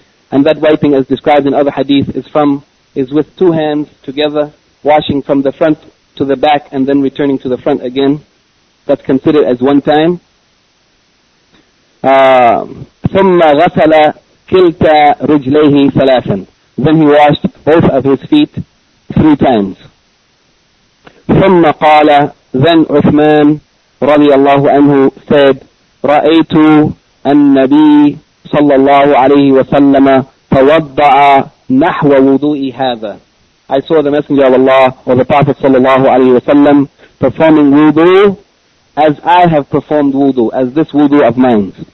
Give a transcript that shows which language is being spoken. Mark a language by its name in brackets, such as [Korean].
[English] And that wiping, as described in other hadith, is with 2 hands together, washing from the front to the back and then returning to the front again. That's considered as 1 time. [Arabic] ثُمَّ غَسَلَ كِلْتَ رُجْلَيْهِ ثَلَاثًا. [English] Then he washed both of his feet 3 times. [Arabic] ثُمَّ قَالَ. Then Uthman رضي الله عنه said, رأيت النبي صلى الله عليه وسلم توضع نحو وضوء هذا. [English] I saw the Messenger of Allah, or the Prophet صلى الله عليه وسلم, performing wudu as I have performed wudu, as this wudu of mine.